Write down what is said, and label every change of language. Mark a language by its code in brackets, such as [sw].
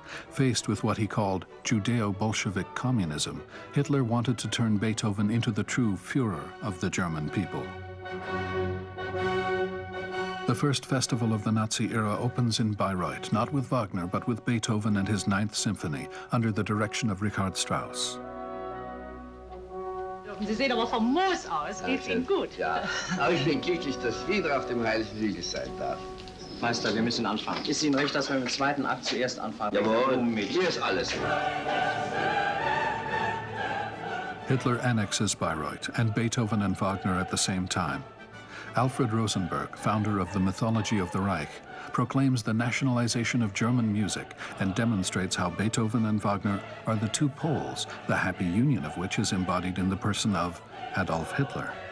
[en] Faced with what he called Judeo-Bolshevik communism, Hitler wanted to turn Beethoven into the true Führer of the German people. The first festival of the Nazi era opens in Bayreuth, not with Wagner, but with Beethoven and his Ninth Symphony, under the direction of Richard Strauss. [de] Sie sehen aber famos aus. Geht Ihnen gut? Ja, aber ich bin glücklich, dass ich wieder auf dem Heiligen Siegel sein darf. Meister, wir müssen anfangen. Ist Ihnen recht, dass wir im zweiten Akt zuerst anfangen? Jawohl, mit hier ist alles. [en] Hitler annexes Bayreuth and Beethoven and Wagner at the same time. Alfred Rosenberg, founder of the mythology of the Reich, proclaims the nationalization of German music and demonstrates how Beethoven and Wagner are the two poles, the happy union of which is embodied in the person of Adolf Hitler.